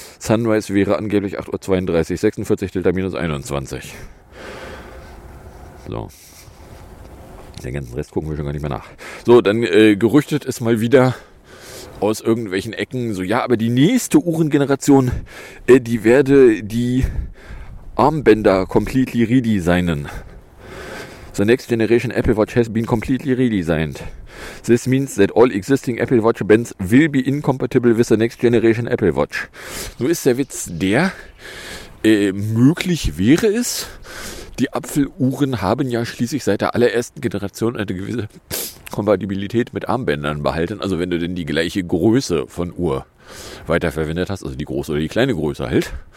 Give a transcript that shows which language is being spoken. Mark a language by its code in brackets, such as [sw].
[de] Sunrise wäre angeblich 8:32:46, Delta minus 21. So. Den ganzen Rest gucken wir schon gar nicht mehr nach. So, dann gerüchtet es mal wieder aus irgendwelchen Ecken. Aber die nächste Uhrengeneration, die werde die Armbänder completely redesignen. [en] The next generation Apple Watch has been completely redesigned. This means that all existing Apple Watch Bands will be incompatible with the next generation Apple Watch. [de] Nur ist der Witz der, möglich wäre es, die Apfeluhren haben ja schließlich seit der allerersten Generation eine gewisse Kompatibilität mit Armbändern behalten. Also wenn du denn die gleiche Größe von Uhr weiterverwendet hast, also die große oder die kleine Größe halt.